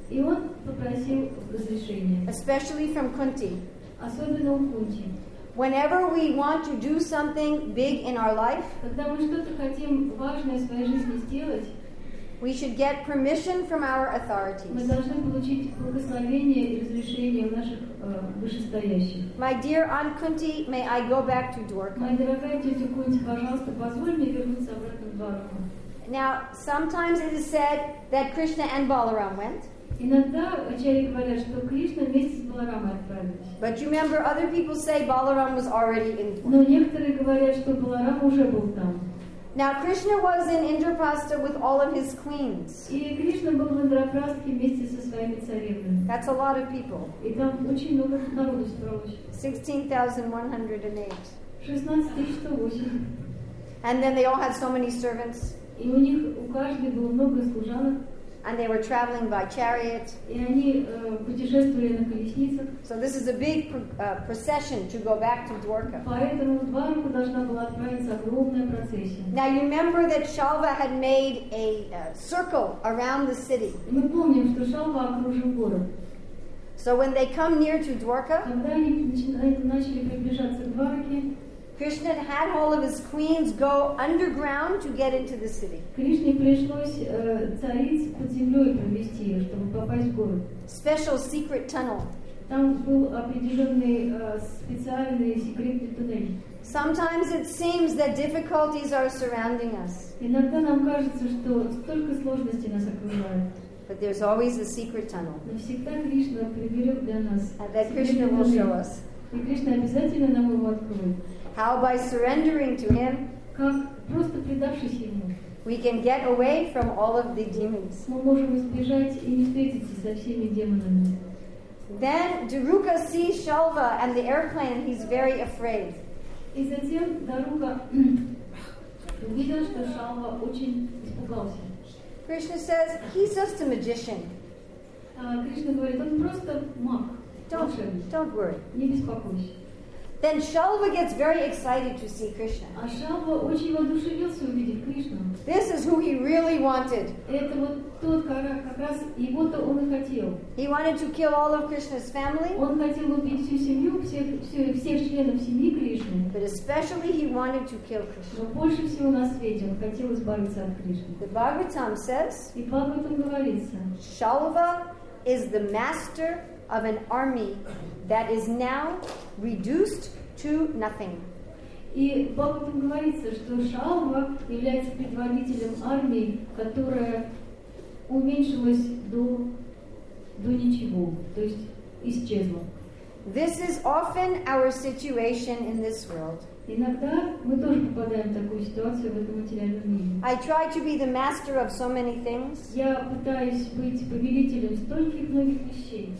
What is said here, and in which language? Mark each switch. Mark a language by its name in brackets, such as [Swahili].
[Russian] И он попросил разрешения. [English] Especially from Kunti. [Russian] Особенно у Кунти. [English] Whenever we want to do something big in our life, [Russian] когда мы что-то хотим важное в своей жизни сделать, [English] we should get permission from our authorities. [Russian] Мы должны получить благословение и разрешение у наших вышестоящих. [English] My dear Aunt Kunti, may I go back to Dwarka? [Russian] Моя дорогая тетя Кунти, пожалуйста, позволь мне вернуться обратно в Дварку. [English] Now, sometimes it is said that Krishna and Balaram went. [Russian] Иногда ачарьи говорят, что Кришна вместе с Баларамой отправились. [English] But you remember, other people say Balaram was already in. [Russian] Но некоторые говорят, что Баларам уже был там. [English] Now Krishna was in Indraprastha with all of his queens. [Russian] И Кришна был в Индрапрастхе вместе со своими царевнами. [English] That's a lot of people. [Russian] И там очень много народу собралось. [English] 16,108. And then they all had so many servants. [Russian] И у них у каждой было много служанок. [English] And they were traveling by chariot. [Russian] И они путешествовали на колесницах. [English] So this is a big procession to go back to Dwarka. [Russian] Поэтому в Дварку должна была отправиться огромная процессия. [English] Now you remember that Shalva had made a circle around the city. [Russian] И мы помним, что Шалва окружил город. [English] So when they come near to Dwarka, [Russian] когда они начали приближаться к Дварке, [English] Krishna had all of his queens go underground to get into the city. [Russian] Кришне пришлось царить под землей провести ее, чтобы попасть в город. [English] Special secret tunnel. [Russian] Там был определенный специальный секретный туннель. [English] Sometimes it seems that difficulties are surrounding us. [Russian] Иногда нам кажется, что столько сложностей нас окружает. [English] But there's always a secret tunnel. [Russian] Но всегда Кришна приберет для нас. [English] And that Krishna will show us. [Russian] И Кришна обязательно нам его откроет. [English] How by surrendering to him, [Russian] как просто предавшись ему, [English] we can get away from all of the demons. [Russian] Мы можем избежать и не встретиться со всеми демонами. [English] Then Daruka sees Shalva and the airplane, he's very afraid. [Russian] И затем Даруга увидел, что Шалва очень испугался. [English] Krishna says, he's just a magician. [Russian] Кришна говорит, он просто маг. [English] Don't worry. [Russian] Не беспокойся. [English] Then Shalva gets very excited to see Krishna. [Russian] А Шалва очень воодушевился увидеть Кришну. [English] This is who he really wanted. [Russian] Это вот тот, как раз его-то он и хотел. [English] He wanted to kill all of Krishna's family. [Russian] Он хотел убить всю семью, всех членов семьи Кришны. [English] But especially he wanted to kill Krishna. [Russian] Но больше всего на свете он хотел избавиться от Кришны. [English] The Bhagavatam says. [Russian] И Бхагаватам говорится. [English] Shalva is the master of an army that is now reduced to nothing. [Russian] И Бхагаватам говорится, что Шалва является предводителем армии, которая уменьшилась до ничего, то есть исчезла. [English] This is often our situation in this world. [Russian] Иногда мы тоже попадаем в такую ситуацию в этом материальном мире. [English] I try to be the master of so many things. [Russian] Я пытаюсь быть повелителем стольких многих вещей.